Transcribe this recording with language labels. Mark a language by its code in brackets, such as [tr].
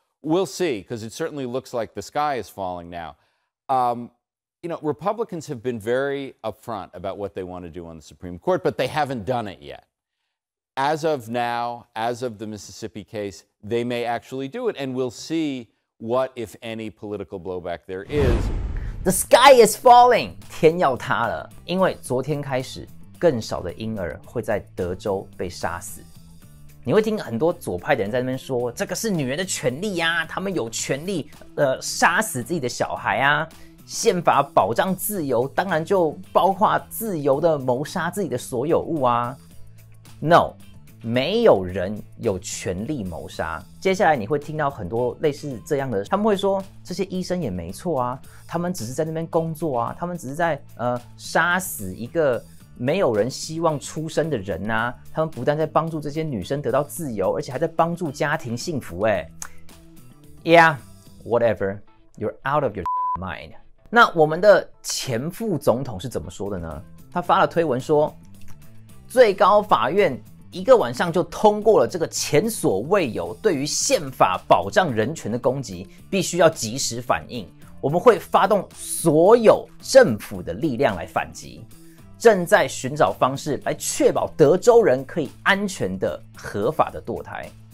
[en] We'll see, because it certainly looks like the sky is falling now. You know, Republicans have been very upfront about what they want to do on the Supreme Court, but they haven't done it yet. As of now, as of the Mississippi case, they may actually do it, and we'll see what, if any, political blowback there is. The sky is falling, [zh] 天要塌了，因为昨天开始，更少的婴儿会在德州被杀死。你会听很多左派的人在那边说，这个是女人的权利啊，他们有权利，杀死自己的小孩啊。宪法保障自由，当然就包括自由的谋杀自己的所有物啊。 No， 没有人有权利谋杀。接下来你会听到很多类似这样的，他们会说这些医生也没错啊，他们只是在那边工作啊，他们只是在杀死一个没有人希望出生的人啊，他们不但在帮助这些女生得到自由，而且还在帮助家庭幸福欸。 [en] Yeah, whatever, you're out of your mind. [zh] 那我们的前副总统是怎么说的呢？他发了推文说，最高法院一个晚上就通过了这个前所未有对于宪法保障人权的攻击，必须要及时反应，我们会发动所有政府的力量来反击，正在寻找方式来确保德州人可以安全的合法的堕胎。